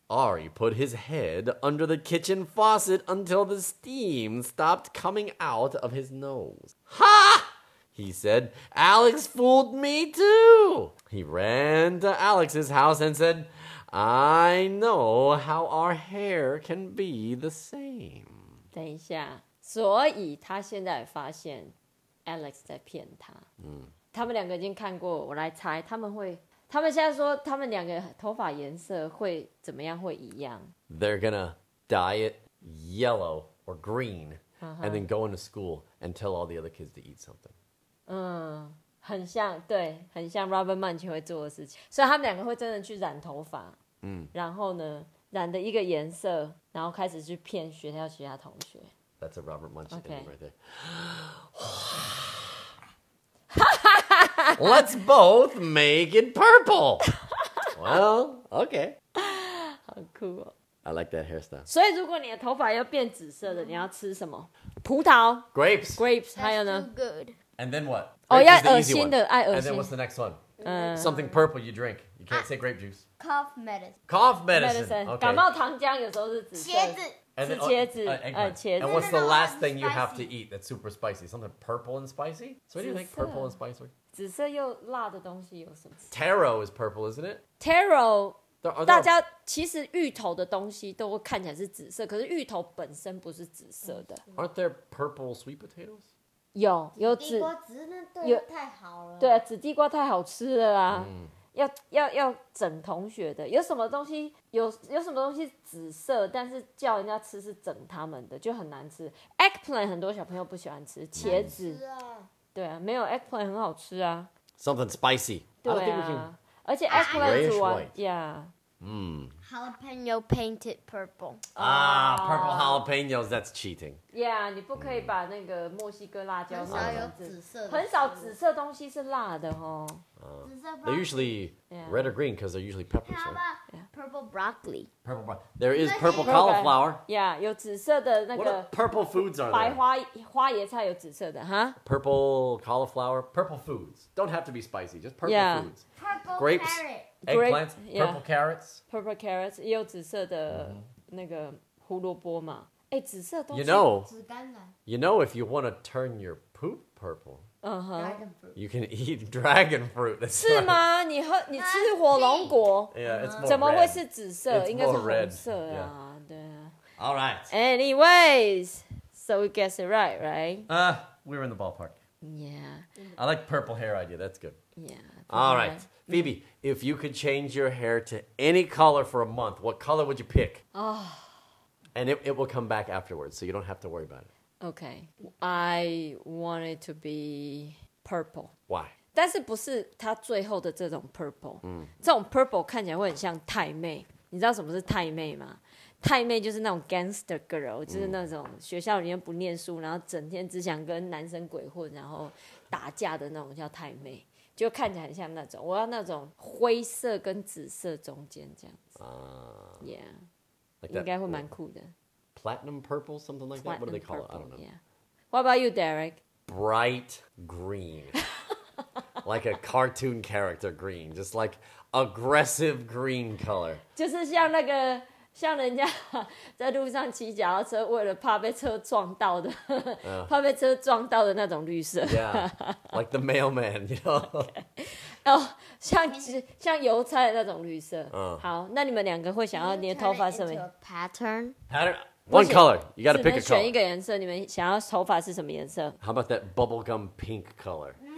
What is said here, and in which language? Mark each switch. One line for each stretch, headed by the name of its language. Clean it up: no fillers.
English: Ari put his head under the kitchen faucet until the steam stopped coming out of his nose. Ha! He said, Alex fooled me too! He ran to Alex's house and said, I know how our hair can be the same.
Chinese: 等一下，所以他现在发现 Alex 在骗他。嗯，他们两个已经看过，我来猜他们会，他们现在说他们两个头发颜色会怎么样，会一样。
English: They're gonna dye it yellow or green, and then go into school and tell all the other kids to eat something. 嗯。
Chinese: 很像，对，很像 Robert Munch 会做的事情，所以他们两个会真的去染头发，嗯，然后呢，染的一个颜色，然后开始去骗学校其他同学。
English: That's a Robert Munch thing right there. Let's both make it purple. Well, okay.
Chinese: 好酷哦。
English: I like that hairstyle.
Chinese: 所以如果你的头发要变紫色的，你要吃什么？葡萄。
English: Grapes. Grapes.
Chinese: 还有呢
English: ？That's too good. And then what? Oh, yeah,
Chinese: 恶心的，爱恶心。
English: And then what's the next one? Something purple you drink. You can't say grape juice. Cough medicine. Cough medicine. Okay.
Chinese: 感冒糖浆有时候是紫色。茄子。
English: And then,
Chinese: 紫茄子。茄子。
English: And what's the last thing you have to eat that's super spicy? Something purple and spicy? So what do you think purple and spicy?
Chinese: 紫色又辣的东西有什么
English: ？Taro is purple, isn't it? Taro.
Chinese: 大家其实芋头的东西都看起来是紫色，可是芋头本身不是紫色的。
English: Aren't there purple sweet potatoes?
Chinese: 有紫地瓜，只是那对太好了。对啊，紫地瓜太好吃了啊！要整同学的，有什么东西有什么东西紫色，但是叫人家吃是整他们的，就很难吃。 Eggplant 很多小朋友不喜欢吃，茄子。吃啊对啊，没有 Eggplant 很好吃啊。
English: Something spicy。
Chinese: 对啊，而且 Eggplant 煮完呀。
English: Jalapeno painted purple. Purple jalapenos, that's cheating. Yeah,
Chinese: 你不可以把那个墨西哥辣椒。很少有紫色的。很少紫色东西是辣的哦。
English: They're usually red or green because they're usually peppers. How about purple broccoli? Purple broccoli. There is purple cauliflower. Yeah,
Chinese: 有紫色的那个。
English: What are purple foods are there?
Chinese: 花椰菜有紫色的哈。
English: Purple cauliflower, purple foods. Don't have to be spicy, just purple foods. Purple grapes. Eggplants, purple carrots. Purple carrots,
Chinese: 也有紫色的那个胡萝卜嘛。哎，紫色东西。
English: You know,
Chinese: 紫甘蓝。
English: You know, if you want to turn your poop purple, dragon fruit. You can eat dragon fruit.
Chinese: 是吗？你吃火龙果？
English: Yeah, it's more red.
Chinese: 怎么会是紫色？应该是红色啊，对啊。
English: All right. Anyways, so we guess it right, right? We're in the ballpark. Yeah. I like purple hair idea. That's good. Yeah. All right. Phoebe, if you could change your hair to any color for a month, what color would you pick? Oh. And it will come back afterwards, so you don't have to worry about it. Okay. I want it to be purple. Why?
Chinese: 但是不是它最后的这种 purple.、这种 purple 看起来会很像太妹。你知道什么是太妹吗？太妹就是那种 gangster girl,、就是那种学校里面不念书，然后整天只想跟男生鬼混，然后打架的那种叫太妹。就看起来很像那种，我要那种灰色跟紫色中间这样子。
English: Yeah. Like that,
Chinese: 应该会蛮酷的。
English: Platinum purple, something like that? Platinum what do they call purple, it? I don't know. Yeah. What about you, Derek? Bright green. Like a cartoon character green. Just like aggressive green color.
Chinese: 就是像那个像人家在路上骑脚踏车为了怕被车撞到的、怕被车撞到的那种绿色
English: yeah like the mailman you know、 okay. oh,
Chinese: 像邮差的那种绿色、好那你们两个会想要你的头发什么
English: pattern one color you gotta pick a color
Chinese: 只能选一个颜色你们想要头发是什么颜色
English: how about that bubblegum pink color